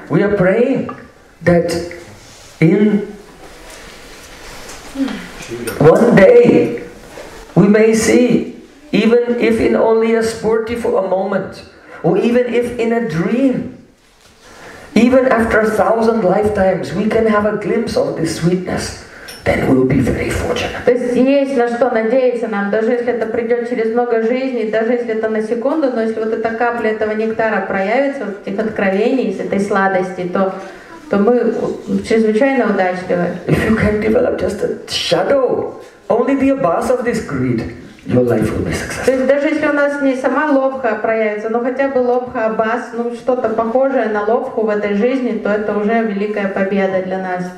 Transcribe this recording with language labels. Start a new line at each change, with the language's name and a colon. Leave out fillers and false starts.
English: We are praying that in one day we may see, even if in only a sportive for a moment, or even if in a dream, even after a thousand lifetimes, we can have a glimpse of this sweetness, then we'll be very fortunate.
Russian: То есть есть на что надеяться нам, даже если это придет через много жизней, даже если это на секунду, но если вот эта капля этого нектара проявится, вот этих откровений, из этой сладости, то то мы чрезвычайно удачливы.
English: If you can develop just a shadow, only the abyss of this greed, your life will be successful.
Russian: То есть даже если у нас не сама лобха проявится, но хотя бы лобха абас, ну что-то похожее на лобху в этой жизни, то это уже великая победа для нас.